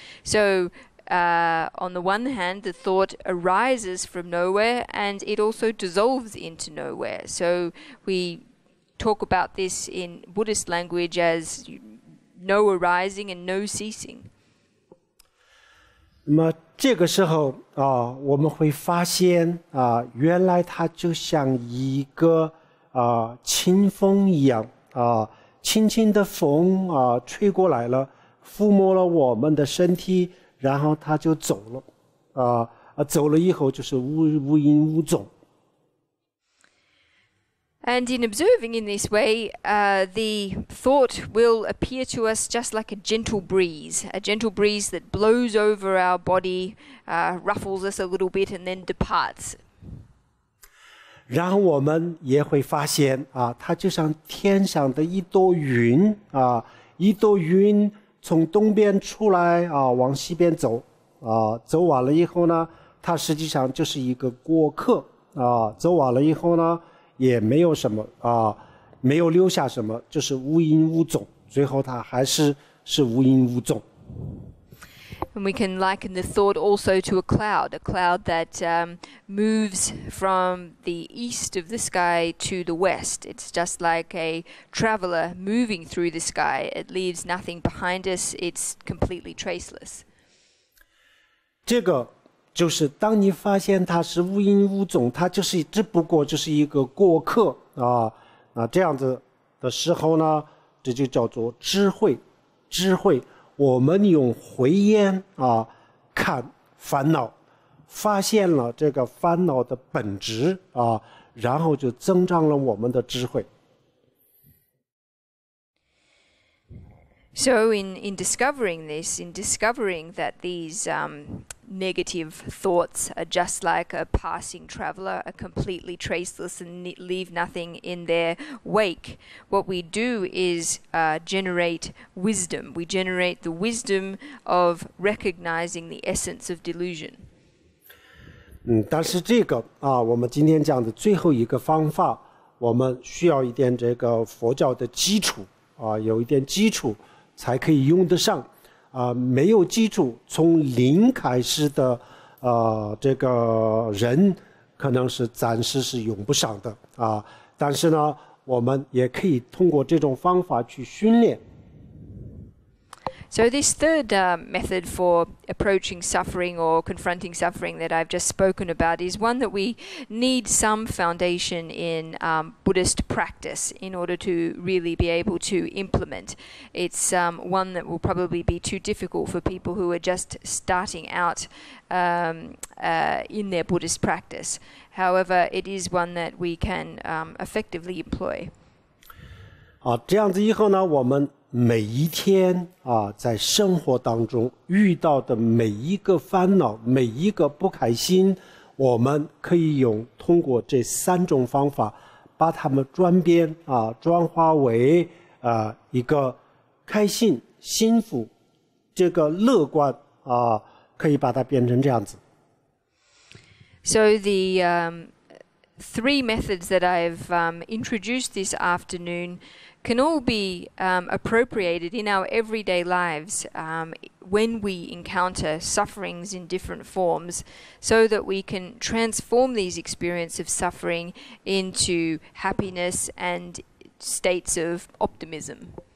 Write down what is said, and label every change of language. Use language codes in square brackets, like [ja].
[en] So, on the one hand, the thought arises from nowhere, and it also dissolves into nowhere. So, we talk about this in Buddhist language as no arising and no ceasing. [zh] 这个时候我们会发现原来它就像一个清风一样轻轻的风吹过来了，抚摸了我们的身体，然后它就走了走了以后就是无影无踪。 [en] And in observing in this way, the thought will appear to us just like a gentle breeze that blows over our body, ruffles us a little bit, and then departs. [zh] 然后我们也会发现它就像天上的一朵云一朵云从东边出来往西边走走完了以后呢，它实际上就是一个过客走完了以后呢。也没有什么没有留下什么，就是无影无踪，最后它还是无影无踪。 [en] And we can liken the thought also to a cloud that moves from the east of the sky to the west. It's just like a traveler moving through the sky. It leaves nothing behind us. It's completely traceless. [zh] 这个就是当你发现它是无影无踪，它就是只不过就是一个过客那这样子的时候呢，这就叫做智慧。智慧，我们用慧眼看烦恼，发现了这个烦恼的本质然后就增长了我们的智慧。 [en] So in discovering this, in discovering that these negative thoughts are just like a passing traveler, are completely traceless and leave nothing in their wake, what we do is generate wisdom. We generate the wisdom of recognizing the essence of delusion. [zh] 但是这个我们今天讲的最后一个方法，我们需要一点这个佛教的基础有一点基础。才可以用得上没有基础，从零开始的这个人可能是暂时是用不上的但是呢，我们也可以通过这种方法去训练。 [en] So this third method for approaching suffering or confronting suffering that I've just spoken about is one that we need some foundation in Buddhist practice in order to really be able to implement. It's one that will probably be too difficult for people who are just starting out in their Buddhist practice. However, it is one that we can effectively employ. [zh] 啊，这样子以后呢，我们每一天啊，在生活当中遇到的每一个烦恼、每一个不开心，我们可以用通过这三种方法，把它们转变啊，转化为一个开心、幸福、这个乐观啊，可以把它变成这样子。 [en] So the three methods that I've introduced this afternoon can all be appropriated in our everyday lives when we encounter sufferings in different forms so that we can transform these experiences of suffering into happiness and states of optimism.